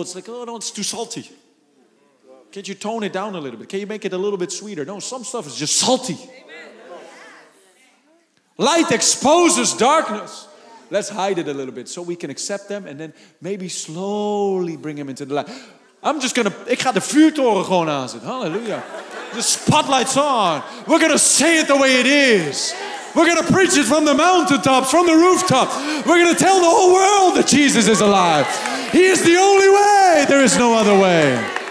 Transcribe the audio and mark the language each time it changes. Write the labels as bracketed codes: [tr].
[en] It's like, oh no, it's too salty. Can't you tone it down a little bit? Can you make it a little bit sweeter? No, some stuff is just salty. Light exposes darkness. Let's hide it a little bit so we can accept them and then maybe slowly bring them into the light. I'm just going to, [nl] ik ga de vuurtoren gewoon aanzetten. [en] Hallelujah. The spotlight's on. We're going to say it the way it is. We're going to preach it from the mountaintops, from the rooftops. We're going to tell the whole world that Jesus is alive. He is the only way. There is no other way.